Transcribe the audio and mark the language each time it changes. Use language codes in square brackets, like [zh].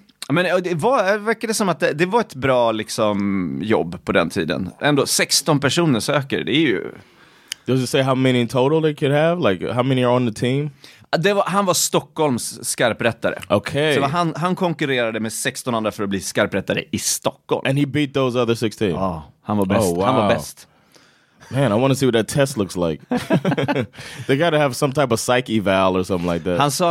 [sv] Men det var ett bra liksom jobb på den tiden. Ändå 16 personer söker. Det är ju... [en] Does it say how many in total they could have? Like how many are on the team? [sv] Han var Stockholms skarprättare. [en] Okay. [sv] Så han konkurrerade med 16 andra för att bli skarprättare i Stockholm. [en] And he beat those other 16? [sv] Ja, han var bäst. [en] Oh, wow. [sv] Han var bäst. [en] Man, I want to see what that test looks like. They got to have some type of psych eval or something like that.